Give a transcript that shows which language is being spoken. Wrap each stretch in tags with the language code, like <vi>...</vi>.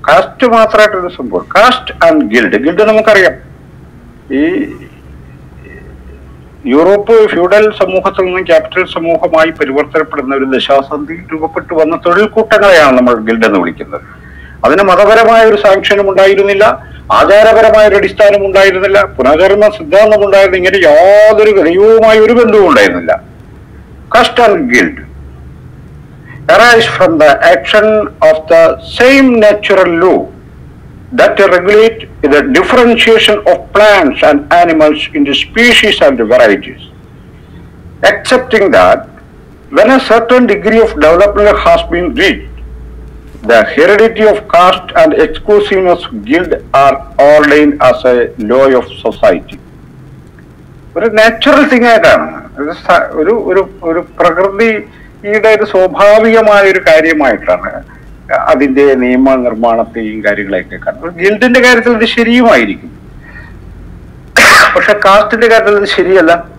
<ml>Cast മാത്രമായിട്ടൊരു സംഭവം, cast and guild, guild നമുക്കറിയാം ഈ യൂറോപ്പ് ഫ്യൂഡൽ സമൂഹത്തിൽ നിന്നും ക്യാപിറ്റൽ സമൂഹമായി പരിവർത്തനപ്പെടുന്ന ഒരു ദശാസന്ധി രൂപപ്പെട്ടു വന്ന തൊഴിൽ കൂട്ടങ്ങളെയാണ് നമ്മൾ ഗിൽഡ് എന്ന് വിളിക്കുന്നത്. അതിന് മതപരമായ ഒരു സാങ്ഷനും ഉണ്ടായിരുന്നില്ല, ആചാരപരമായ ഒരു അടിസ്ഥാനം ഉണ്ടായിരുന്നില്ല, പുനകർമ്മ സിദ്ധാന്തം ഉണ്ടായിരുന്നില്ല, ഇങ്ങനെ യാതൊരു ഗ്രഹീവുമായി ഒരു ബന്ധവും ഉണ്ടായിരുന്നില്ല. Cast and guild</ml> <en>arise from the action of the same natural law that regulate the differentiation of plants and animals into species and varieties, excepting that when a certain degree of development has been reached, the heredity of caste and exclusiveness of guild are ordained as a law of society.</en> <ml>ഒരു natural thing ആയിട്ടാണ്, ഒരു ഒരു ഒരു പ്രകൃതി ഈടെ ഒരു സ്വാഭാവികമായ ഒരു കാര്യമായിട്ടാണ് അതിന്റെ നിയമനിർമ്മാണത്തെയും കാര്യങ്ങളെയൊക്കെ കാണുന്നത്. ഗിൽഡിന്റെ കാര്യത്തിൽ ഇത് ശരിയുമായിരിക്കും, പക്ഷെ കാസ്റ്റിന്റെ കാര്യത്തിൽ ഇത് ശരിയല്ല.</ml>